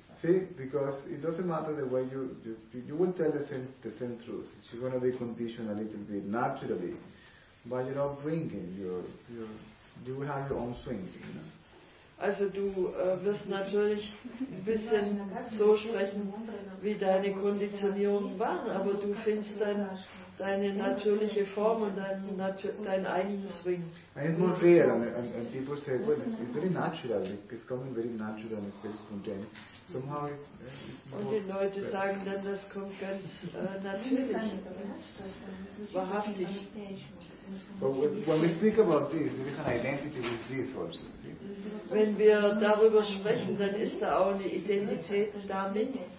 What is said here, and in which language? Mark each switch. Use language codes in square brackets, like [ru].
[en] See, because it doesn't matter the way you will tell the same truth. It's going to be conditioned a little bit naturally, but you're not bringing you will have your own swing, you know. [de] Also du wirst natürlich ein bisschen so sprechen, wie deine Konditionierungen waren, aber du findest deine natürliche Form und deinen eigenen Swing. [en] And it's more real, and people say, well, it's very natural, it's coming very natural, it's very spontaneous. Somehow [de] und die Leute sagen dann, das kommt ganz natürlich, wahrhaftig. [en] But when we speak about this, there is an identity with this also. [de] Wenn wir darüber sprechen, dann ist da auch eine Identität damit.